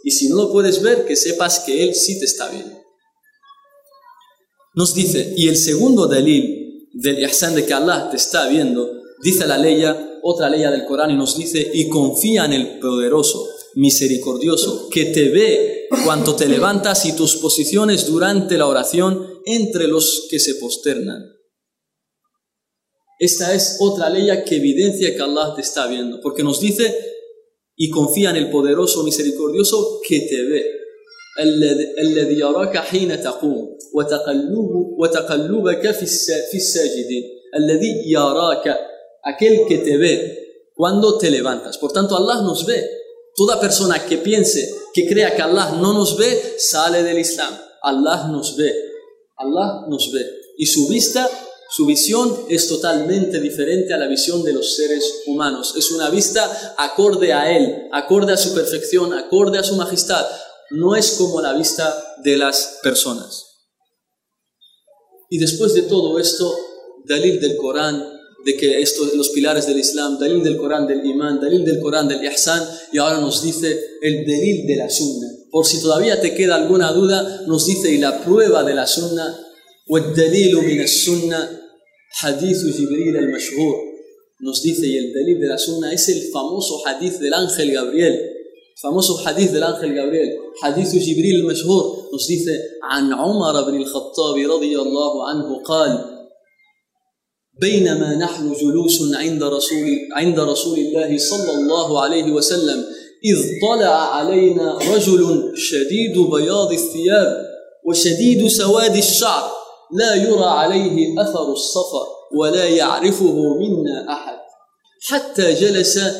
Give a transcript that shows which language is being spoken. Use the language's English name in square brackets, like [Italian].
[Spanish] Y si no lo puedes ver, que sepas que Él sí te está viendo. Nos dice, y el segundo dalil del ihsan, de que Allah te está viendo, dice la ley, otra ley del Corán, y nos dice, y confía en el poderoso, misericordioso, que te ve cuando te levantas y tus posiciones durante la oración entre los que se posternan. Esta es otra ley que evidencia que Allah te está viendo, porque nos dice, y confía en el poderoso, misericordioso, que te ve. [Arabic] الذي يراك حين تقوم وتقلبك في الساجدين الذي يراك. [Spanish] Aquel que te ve cuando te levantas. Por tanto, Allah nos ve. Toda persona que piense, que crea que Allah no nos ve, sale del Islam. Allah nos ve. Allah nos ve. Y su vista, su visión es totalmente diferente a la visión de los seres humanos. Es una vista acorde a Él, acorde a su perfección, acorde a su majestad. No es como la vista de las personas. Y después de todo esto, dalil del Corán, de que estos son los pilares del Islam, dalil del Corán del Imán, dalil del Corán del Ihsan, y ahora nos dice el dalil de la Sunna. Por si todavía te queda alguna duda, nos dice, y la prueba de la Sunna [Arabic] والدليل من السنة حديث جبريل المشهور. [Spanish] Nos dice, y el delil de la sunna es el famoso hadith del ángel Gabriel. Famoso hadith del ángel Gabriel. Hadith de Jibril al-Mashhur. Nos dice, [Arabic] عن عمر بن الخطاب رضي الله عنه قال, بينما نحن جلوس عند رسول الله صلى الله عليه وسلم, إذ طلع علينا رجل شديد بياض الثياب وشديد سواد الشعر لا يرى عليه أثر الصفر ولا يعرفه منا أحد حتى جلس